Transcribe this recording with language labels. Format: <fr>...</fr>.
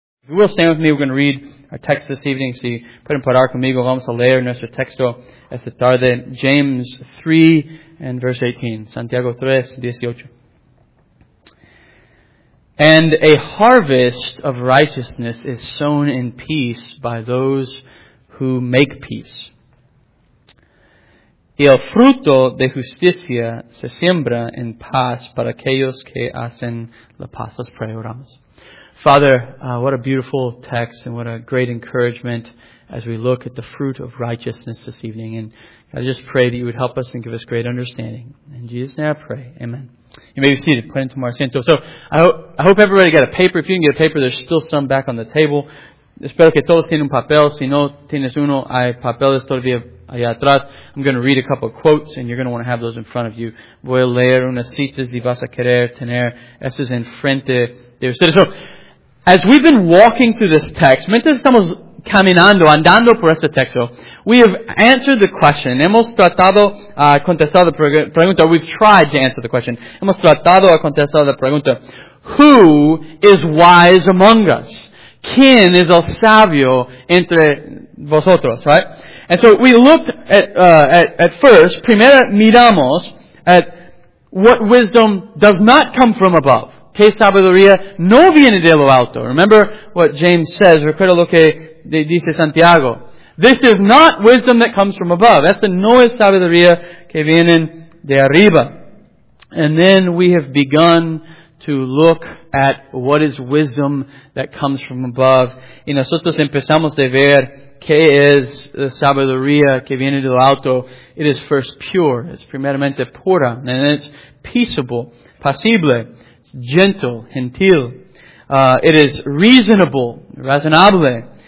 <en>If you will stand with me, we're going to read our text this evening.</en> <es>Si pueden parar conmigo, vamos a leer nuestro texto esta tarde.</es> <en>James 3 and verse 18. Santiago 3, 18. And a harvest of righteousness is sown in peace by those who make peace.</en> <es>Y el fruto de justicia se siembra en paz para aquellos que hacen la paz.</es> <en>Let's pray,</en> <es>oramos.</es> <en>Father, what a beautiful text and what a great encouragement as we look at the fruit of righteousness this evening. And I just pray that you would help us and give us great understanding. In Jesus' name I pray. Amen. You may be seated. Put into more asiento. So I hope everybody got a paper. If you can get a paper, there's still some back on the table.</en> <es>Espero que todos tienen un papel. Si no tienes uno, hay papeles todavía allá atrás.</es> <en>I'm going to read a couple of quotes, and you're going to want to have those in front of you.</en> <es>Voy a leer unas citas y vas a querer tener esas en frente de ustedes.</es> <en>So, as we've been walking through this text,</en> <es>mientras estamos caminando, andando por este texto,</es> <en>we have answered the question.</en> <es>Hemos tratado a contestar la pregunta.</es> <en>We've tried to answer the question.</en> <es>Hemos tratado a contestar la pregunta.</es> <en>Who is wise among us?</en> <es>¿Quién es el sabio entre vosotros, right?</es> <en>And so we looked at first,</en> <es>primero miramos</es> <en>at what wisdom does not come from above.</en> <es>¿Qué sabiduría no viene de lo alto?</es> <en>Remember what James says,</en> <es>recuerda lo que dice Santiago.</es> <en>This is not wisdom that comes from above.</en> <es>Esta no es sabiduría que viene de arriba.</es> <en>And then we have begun to look at what is wisdom that comes from above.</en> <es>Y nosotros empezamos a ver qué es la sabiduría que viene de lo alto.</es> <en>It is first pure. It's</en> <es>primeramente pura.</es> <en>And it's peaceable, pasible. It's gentle, gentil. It is reasonable, razonable.</en>